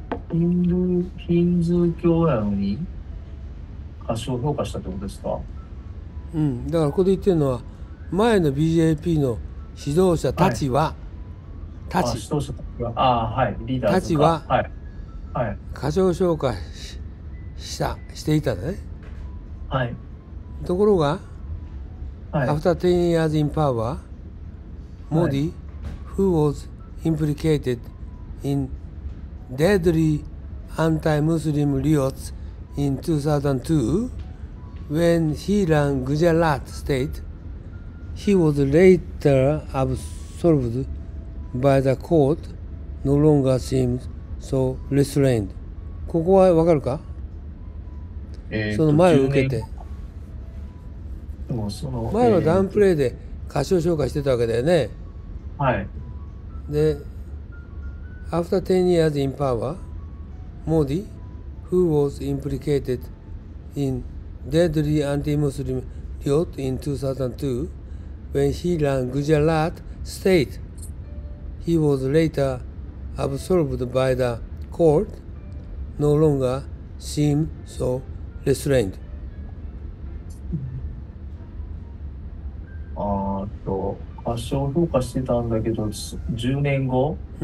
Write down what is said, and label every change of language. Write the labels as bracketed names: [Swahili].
[Japanese] ヒンズー教やのに、過小評価したってことですか？だからここで言ってるのは、前の BJP の指導者たちは、あ、指導者か。リーダーたズちか。は過小評価していたね。ところが、 [English] After 10 years in power, Modi, who was implicated in deadly anti-Muslim riots in 2002, when he ran Gujarat state, he was later absolved by the court, no longer seems so restrained. [Japanese] ここはわかるか？その前を受け 10年、て。でもその、前はダウンプレイで過小評価してたわけだよね。 [English] で、After 10 years in power, Modi, who was implicated in deadly anti-Muslim riot in 2002, when he ran Gujarat state, he was later absolved by the court, no longer seemed so restrained. [Japanese] あーと、過小評価してたんだけど、10年後、